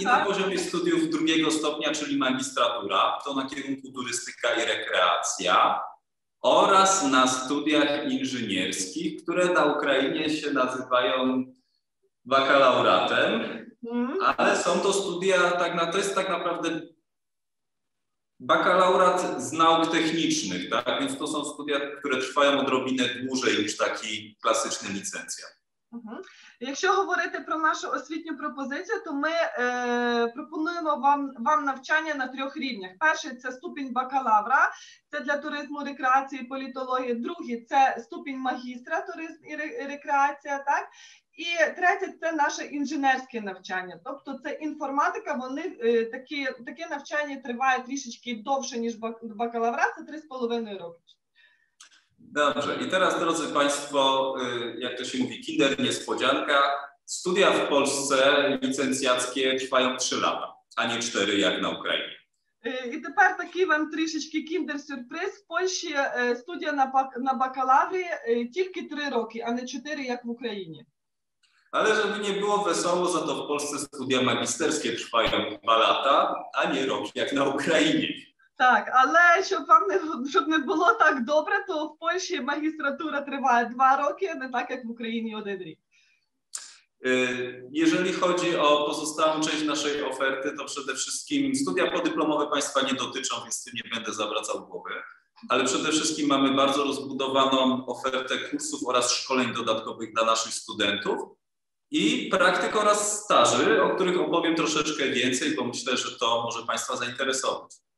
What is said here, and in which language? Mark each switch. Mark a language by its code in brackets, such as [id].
[pl] i na poziomie studiów drugiego stopnia, czyli magistratura, to na kierunku turystyka i rekreacja, oraz na studiach inżynierskich, które na Ukrainie się nazywają bakalauratem. Ale są to studia, to jest tak naprawdę bakalaurat z nauk technicznych, tak? Więc to są studia, które trwają odrobinę dłużej niż taki klasyczny licencjat. [uk] Якщо говорити про нашу освітню пропозицію, то ми пропонуємо вам навчання на трьох рівнях. Перший – це ступінь бакалавра, це для туризму, рекреації, політології. Другий – це ступінь магістра, туризм і рекреація, так? І третє – це наше інженерське навчання. Тобто це інформатика, вони таке навчання триває трішечки довше, ніж бакалавра, це 3,5 роки. [pl] Dobrze, i teraz drodzy Państwo, jak to się mówi, kinder niespodzianka, studia w Polsce licencjackie trwają 3 lata, a nie 4 jak na Ukrainie. [uk] І тепер такий вам трішечки кіндер-сюрприз. В Польщі студія на бакалаврі тільки 3 роки, а не 4 як в Україні. [pl] Ale żeby nie było wesoło, za to w Polsce studia magisterskie trwają 2 lata, a nie rok jak na Ukrainie. [uk] Так, але щоб не було так добре, то в Польщі магістратура триває 2 роки, а не так, як в Україні 1 рік. [pl] Jeżeli chodzi o pozostałą część naszej oferty, то przede wszystkim studia podyplomowe państwa nie dotyczą, więc tym nie będę zawracał głowy. Ale przede wszystkim mamy bardzo rozbudowaną ofertę kursów oraz szkoleń dodatkowych dla naszych studentów. I praktyk oraz staży, o których opowiem troszeczkę więcej, bo myślę, że to może państwa zainteresować.